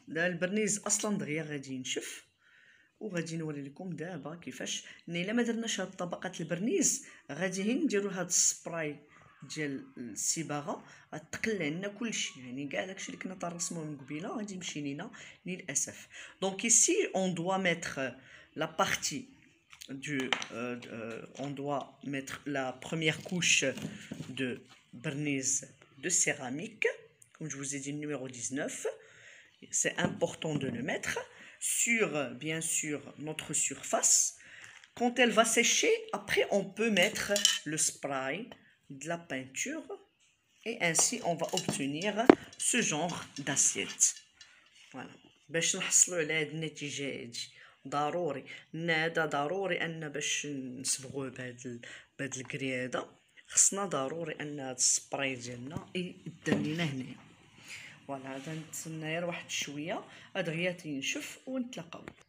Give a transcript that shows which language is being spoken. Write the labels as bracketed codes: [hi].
[ar] دا البرنيز اصلا دغيا غادي ينشف وغادي نوري لكم دابا كيفاش. ني الا ما درناش هاد طبقه البرنيز غادي هي نديرو هاد السبراي ديال السباغه تقلع لنا كلشي، يعني كاع داكشي اللي كنا طرسناه من قبيله غادي يمشي لينا للاسف. [fr] دونك ici on doit mettre la partie du on doit mettre la première couche de برنيز de céramique comme je vous ai dit numéro 19. C'est important de le mettre sur, bien sûr, notre surface. Quand elle va sécher, après, on peut mettre le spray de la peinture. Et ainsi, on va obtenir ce genre d'assiette. Voilà. [ar] باش نحصلوا على هاد النتيجة هادي ضروري نادا ضروري أن باش نصبغوه بهاد الكري هذا خصنا ضروري أن هاد السبراي ديالنا يدان لينا هنايا. فوالا هذا نتسنى غير واحد شويه ادغيا تنشف ونتلاقاو.